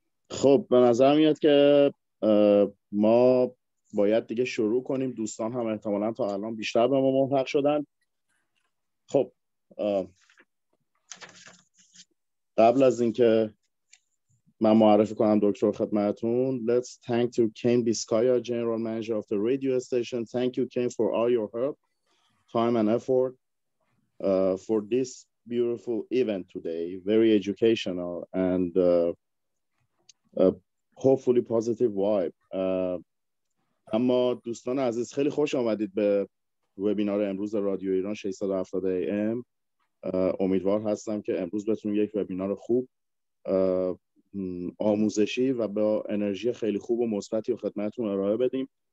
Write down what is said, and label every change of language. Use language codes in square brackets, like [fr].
[fa] خب به نظر میاد که ما باید دیگه شروع کنیم. دوستان هم احتمالاً تا الان بیشتر به ما ملحق شدن. خب قبل از اینکه من معرفی کنم دکتر خدمتتون، [en] let's thank to KIRN Biskaya, general manager of the radio station. Thank you KIRN for all your help, time and effort for this beautiful event today. Very educational and hopefully positive vibe. [fa] اما دوستان عزیز خیلی خوش آمدید به وبینار امروز رادیو ایران 670 AM. امیدوار هستم که امروز بتونیم یک وبینار خوب آموزشی و با انرژی خیلی خوب و مثبتی و خدمتتون ارائه بدیم.